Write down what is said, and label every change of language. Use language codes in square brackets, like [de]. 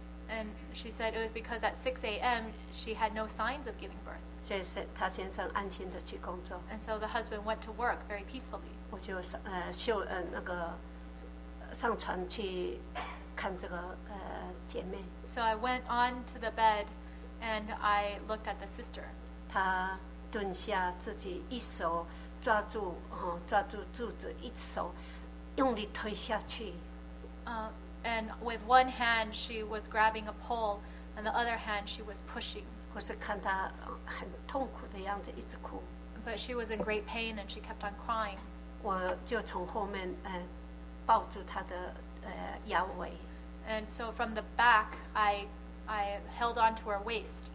[en] And she said it was because at 6 a.m. she had no signs of giving birth. [zh] 所以是他先生安心的去工作。 [en] And so the husband went to work very peacefully. [zh] 我就那个上船去。看这个姐妹。 [en] So I went on to the bed, and I looked at the sister. [zh] 她蹲下，自己一手抓住抓住柱子，一手用力推下去。 [en] And with one hand she was grabbing a pole, and the other hand she was pushing. [zh] 我是看她很痛苦的样子，一直哭。 [en] But she was in great pain, and she kept on crying. [zh] 我就从后面抱住她的腰围。 [en] And so from the back, I held on to her waist.